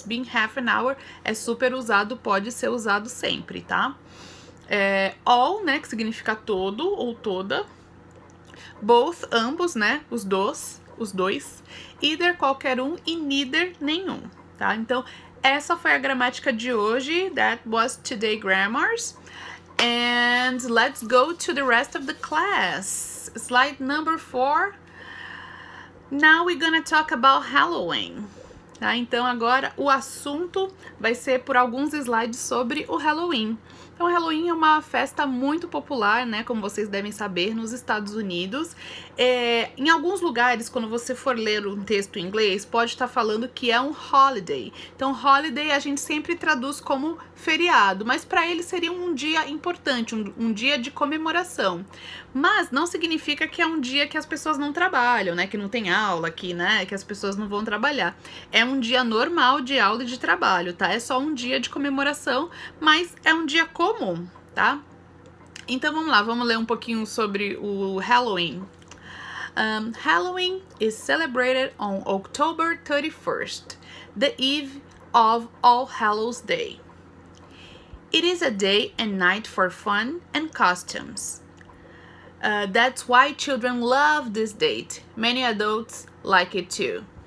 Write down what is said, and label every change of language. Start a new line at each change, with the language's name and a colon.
English: Being half an hour
Portuguese: é super usado, pode ser usado sempre, tá? É, all, né, que significa todo ou toda. Both, ambos, né? Os dois. Either, qualquer um. E neither, nenhum. Tá? Então, essa foi a gramática de hoje.
English: That was today grammars. And let's go to the rest of the class. Slide number 4. Now we're gonna talk about Halloween.
Portuguese: Tá? Então, agora o assunto vai ser por alguns slides sobre o Halloween. Então, Halloween é uma festa muito popular, né? Como vocês devem saber, nos Estados Unidos. É, em alguns lugares, quando você for ler um texto em inglês, pode estar falando que é um holiday. Então, holiday a gente sempre traduz como feriado, mas para ele seria um dia importante, um dia de comemoração. Mas não significa que é um dia que as pessoas não trabalham, né? Que não tem aula aqui, né? Que as pessoas não vão trabalhar. É um dia normal de aula e de trabalho, tá? É só um dia de comemoração, mas é um dia comum, tá? Então vamos lá, vamos ler um pouquinho sobre o Halloween.
English: Halloween is celebrated on October 31st, the eve of All Hallows' Day. It is a day and night for fun and costumes. That's why children love this date. Many adults like it too.